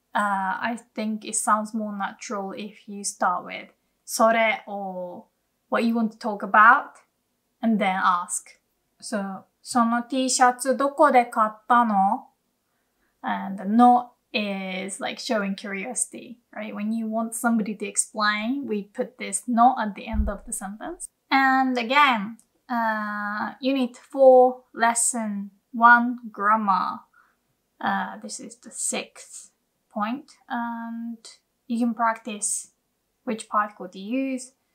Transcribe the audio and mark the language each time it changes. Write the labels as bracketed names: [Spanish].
[English] I think it sounds more natural if you start with それ or what you want to talk about and then ask. [Japanese] So, その T シャツどこで買ったの? [English] And の is like showing curiosity, right? When you want somebody to explain, we put this の at the end of the sentence. And again, unit 4, lesson 1, grammar. This is the 6th point. And you can practice which particle to use.